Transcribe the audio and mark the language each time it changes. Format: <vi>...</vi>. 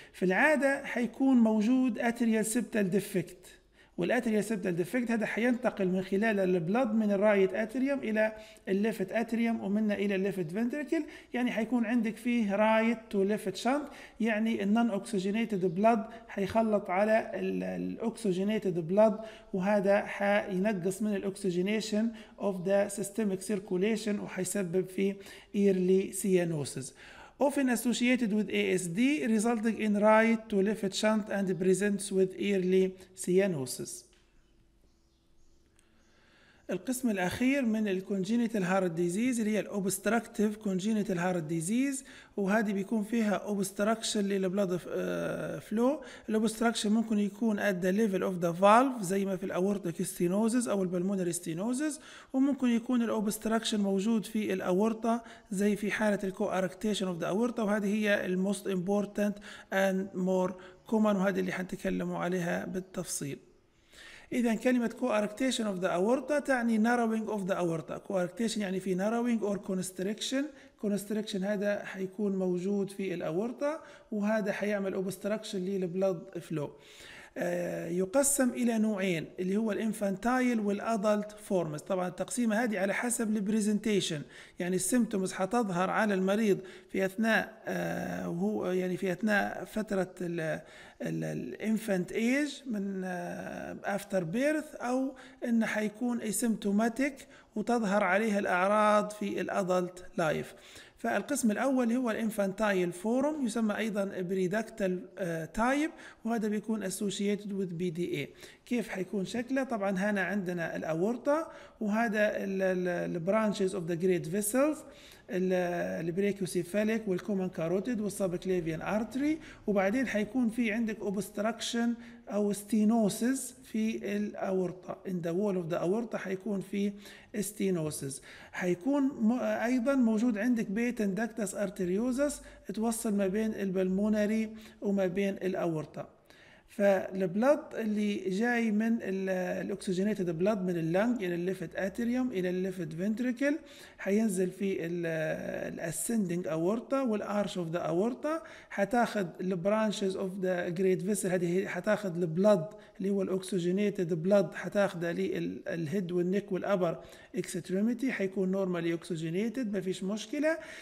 <ar>في العادة حيكون موجود أتريال سيبتال ديفكت، والأتريال سيبتال ديفكت هذا حينتقل من خلال البلد من الرايت أتريوم إلى الليفت أتريوم ومنه إلى الليفت فنتريكل، يعني حيكون عندك فيه رايت تو ليفت شنط، يعني النون أكسجينيتد بلد حيخلط على الأكسجينيتد بلد وهذا حينقص من الأكسجينيشن أوف ذا سيستميك سيركوليشن وحيسبب فيه إيرلي سيانوسز.</ar> <en>Often associated with ASD, resulting in right to left shunt and presents with early cyanosis.</en> <ar>القسم الأخير من congenital heart disease اللي هي obstructive congenital heart disease، وهذه بيكون فيها obstruction للblood flow.</ar> <en>The obstruction ممكن يكون at the level of the valve زي ما في aortic stenosis أو pulmonary stenosis، وممكن يكون the obstruction</en> <ar>موجود في الأورطة زي في حالة</ar> <en>coarctation of the aorta، وهذه هي the most important and more common،</en> <ar>وهذه اللي حنتكلموا عليها بالتفصيل.</ar> <en>إذا كلمة coarctation of the aorta تعني narrowing of the aorta. coarctation يعني في narrowing or constriction.</en> <ar>constriction هذا حيكون موجود في الأورطة وهذا حيعمل obstruction للblood flow. يقسم إلى نوعين اللي هو الانفانتايل والأدلت فورمز. طبعا التقسيمة هذه على حسب البريزنتيشن، يعني السيمتومز حتظهر على المريض في أثناء هو يعني في أثناء فترة الانفانت ايج من افتر بيرث، أو إن حيكون اسيمتوماتيك وتظهر عليها الأعراض في الأدلت لايف. فالقسم الأول هو الانفانتايل فورم، يسمى أيضا بريدكتال تايب، وهذا بيكون associated with BDA. كيف حيكون شكله؟ طبعا هنا عندنا الأورطة وهذا البرانشز of the great vessels البريكوسيفاليك والكومن كاروتيد والسابكليفيان أرتري، وبعدين حيكون في عندك obstruction أو stenosis في الأورطة.</ar> <en>in the wall of the أورطة حيكون في stenosis.</en> <ar>حيكون أيضا موجود عندك patent ductus arteriosus توصل ما بين البلمونري وما بين الأورطة. فالبلد اللي جاي من الأكسجينيتد بلد من اللنج إلى الليفت أتريوم إلى الليفت فنتريكل حينزل في الأسندنج أورطة والأرش أوف ذا أورطة، حتاخذ البرانشز أوف ذا جريت فيسل، هذه حتاخذ البلد اللي هو الأكسجينيتد بلد حتاخذه للهيد والنيك والأبر إكستريميتي، حيكون نورمالي أكسجينيتد ما فيش مشكلة.</ar>